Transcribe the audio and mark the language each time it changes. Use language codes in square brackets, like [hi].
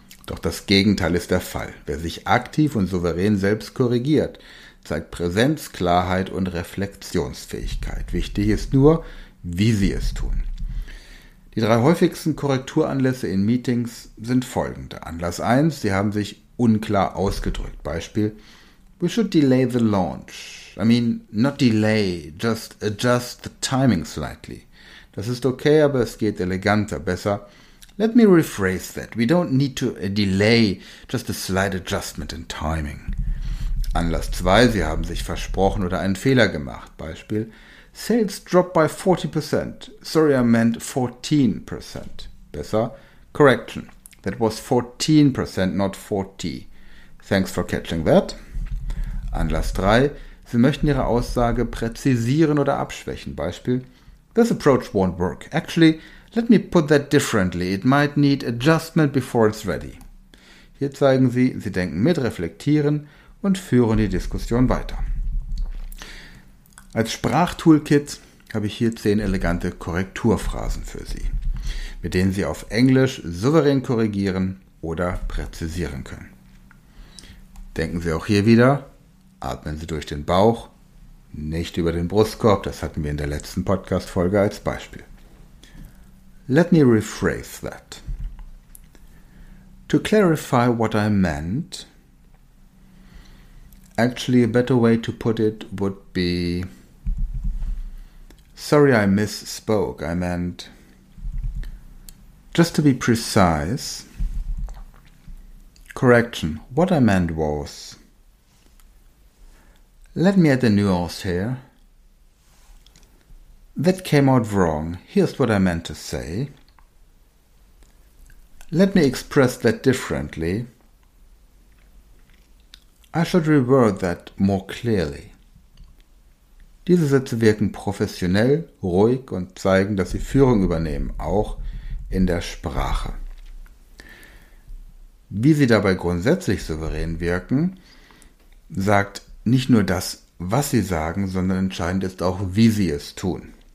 [de] Doch das Gegenteil ist der Fall. Wer sich aktiv und souverän selbst korrigiert, zeigt Präsenz, Klarheit und Reflexionsfähigkeit. Wichtig ist nur, wie Sie es tun. Die drei häufigsten Korrekturanlässe in Meetings sind folgende. Anlass 1, Sie haben sich unklar ausgedrückt. Beispiel, [en] we should delay the launch. I mean, not delay, just adjust the timing slightly. [de] Das ist okay, aber es geht eleganter, besser. [en] Let me rephrase that. We don't need to delay, just a slight adjustment in timing. [de] Anlass 2, Sie haben sich versprochen oder einen Fehler gemacht. Beispiel, [en] sales dropped by 40%. Sorry, I meant 14%. [de] Besser, [en] correction. That was 14%, not 40. Thanks for catching that. [de] Anlass 3. Sie möchten Ihre Aussage präzisieren oder abschwächen. Beispiel, [en] this approach won't work. Actually, let me put that differently. It might need adjustment before it's ready. [de] Hier zeigen Sie, Sie denken mit, reflektieren und führen die Diskussion weiter. Als Sprachtoolkit habe ich hier 10 elegante Korrekturphrasen für Sie, mit denen Sie auf Englisch souverän korrigieren oder präzisieren können. Denken Sie auch hier wieder, atmen Sie durch den Bauch, nicht über den Brustkorb, das hatten wir in der letzten Podcast-Folge als Beispiel. [en] Let me rephrase that. To clarify what I meant, actually a better way to put it would be, sorry, I misspoke. I meant, just to be precise, correction, what I meant was, let me add a nuance here. That came out wrong. Here's what I meant to say. Let me express that differently. I should reword that more clearly. [de] Diese Sätze wirken professionell, ruhig und zeigen, dass sie Führung übernehmen, auch in der Sprache. Wie sie dabei grundsätzlich souverän wirken, sagt nicht nur das, was sie sagen, sondern entscheidend ist auch, wie sie es tun.